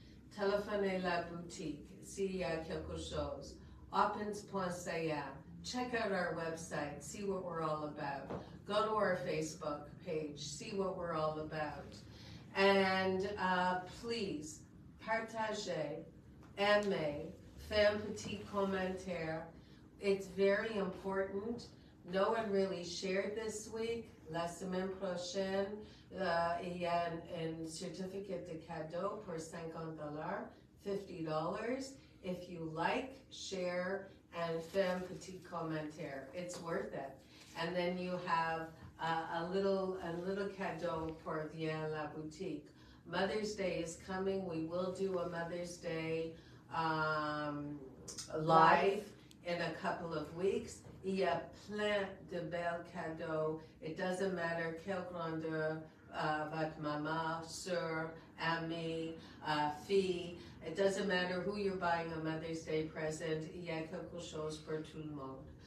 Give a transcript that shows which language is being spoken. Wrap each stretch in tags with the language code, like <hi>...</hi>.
<fr>Téléphonez la boutique, s'il y a quelque chose.</fr> <en>Opens.ca. Check out our website, see what we're all about. Go to our Facebook page, see what we're all about. And please,</en> <fr>partagez, aimez, faites un petit commentaire.</fr> <en>It's very important. No one really shared this week.</en> <fr>La semaine prochaine, il y a un certificate de cadeau pour $50, $50.</fr> <en>If you like, share, and</en> <fr>faites un petit commentaire.</fr> <en>It's worth it. And then you have a little cadeau</en> <fr>pour Viens la boutique.</fr> <en>Mother's Day is coming. We will do a Mother's Day live in a couple of weeks.</en> <fr>Il y a plein de belles cadeaux.</fr> <en>It doesn't matter</en> <fr>quelle grandeur votre maman, sœur, amie, fille.</fr> <en>It doesn't matter who you're buying a Mother's Day present.</en> <fr>Il y a quelque chose pour tout le monde.</fr>